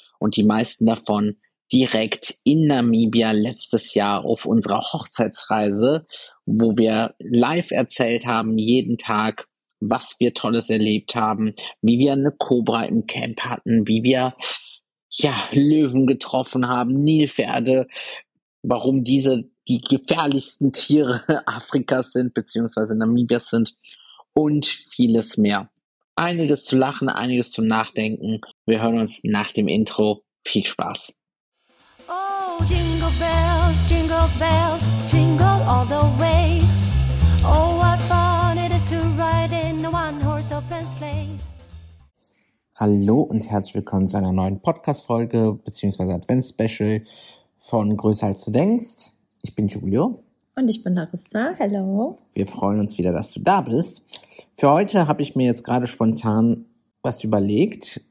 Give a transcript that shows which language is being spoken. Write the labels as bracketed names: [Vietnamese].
[German] Und die meisten davon direkt in Namibia letztes Jahr auf unserer Hochzeitsreise, wo wir live erzählt haben, jeden Tag, was wir Tolles erlebt haben, wie wir eine Kobra im Camp hatten, wie wir, ja, Löwen getroffen haben, Nilpferde, warum diese die gefährlichsten Tiere Afrikas sind, beziehungsweise Namibias sind und vieles mehr. Einiges zu lachen, einiges zum Nachdenken. Wir hören uns nach dem Intro. Viel Spaß. [English] Oh, Jingle Bells, Jingle Bells, Jingle all the way. Oh, what fun it is to ride in a one-horse open sleigh. [German] Hallo und herzlich willkommen zu einer neuen Podcast-Folge, beziehungsweise Advents-Special. Von größer als du denkst. Ich bin Julio. Und ich bin Larissa. [English] Hello. [German] Wir freuen uns wieder, dass du da bist. Für heute habe ich mir jetzt gerade spontan was überlegt.